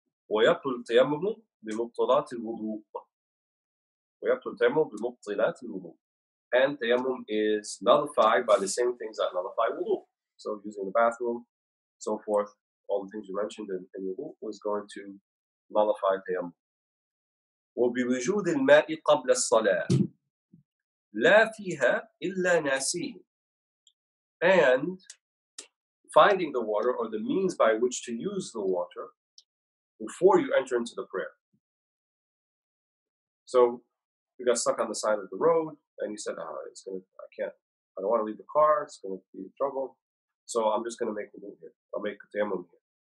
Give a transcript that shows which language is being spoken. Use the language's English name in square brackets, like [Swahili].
[Arabic] وَيَبْطُلُ تَيَمُّمُ بِمُبْطِلَاتِ الْوُضُوءِ. وَيَبْطُلُ تَيَمُّمُ بِمُبْطِلَاتِ الْوُضُوءِ. [English] And tayammum is nullified by the same things that nullify wudu. So using the bathroom, so forth, all the things you mentioned in wudu was going to nullify tayammum. [Arabic] وبوجود الماء قبل الصلاة لا فيها إلا ناسيه. [English] And finding the water or the means by which to use the water before you enter into the prayer. So you got stuck on the side of the road and you said, I don't want to leave the car, it's going to be in trouble, so I'm just going to make a move here. I'll make a tayammum here.